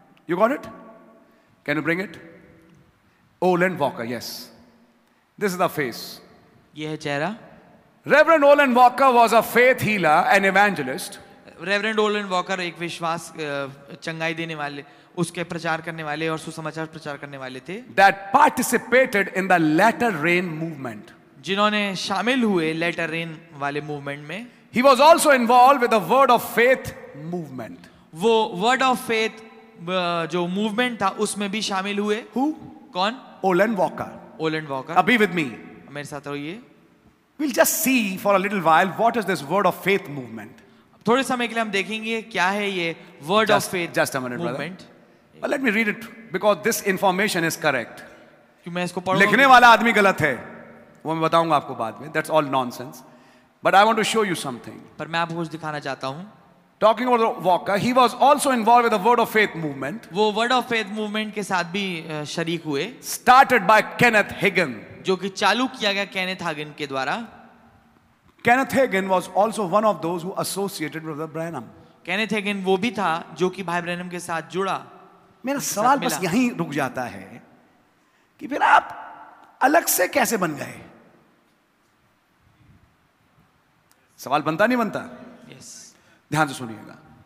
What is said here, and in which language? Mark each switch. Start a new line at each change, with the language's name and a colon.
English: You got it? Can you bring it? Oland Walker, yes, this is the face.
Hindi: ये है चेहरा.
English: Reverend Oland Walker was a faith healer and evangelist.
Hindi: Reverend Holland walker एक विश्वास चंगाई देने वाले, उसके प्रचार करने वाले और सुसमाचार प्रचार करने वाले थे.
English: That participated in the latter rain movement.
Hindi: जिन्होंने शामिल हुए लेटर रेन वाले मूवमेंट में.
English: He was also involved with the word of faith movement.
Hindi: वो word of faith जो मूवमेंट था उसमें भी शामिल हुए.
English: Who?
Hindi: कौन? Holland walker. Holland walker. अभी
English: With me.
Hindi: मेरे साथ रहिए.
English: We'll just see for a little while what is this word of faith movement.
Hindi: थोड़े समय के लिए हम देखेंगे क्या है ये word of faith
English: movement. But let me read it because this information is correct.
Hindi: क्यों मैं इसको पढ़ूं? लिखने वाला आदमी गलत है, वो मैं बताऊंगा आपको बाद में.
English: That's all nonsense. But I want to show you something.
Hindi: पर मैं आपको कुछ दिखाना चाहता हूं.
English: Talking about the walker, he was also involved with the word of faith movement.
Hindi: वो word of faith movement के साथ भी शरीक हुए.
English: Started by Kenneth Hagin.
Hindi: जो कि चालू किया गया Kenneth Hagin के द्वारा.
English: Kenneth Hagin was also one of those who associated with Brother Branham.
Hindi: Kenneth Hagin वो भी था जो कि भाई ब्रैनम के साथ जुड़ा. मेरा सवाल बस यहीं रुक जाता है कि फिर आप अलग से कैसे बन गए? सवाल बनता नहीं बनता?
English: Yes.
Hindi: ध्यान से सुनिएगा.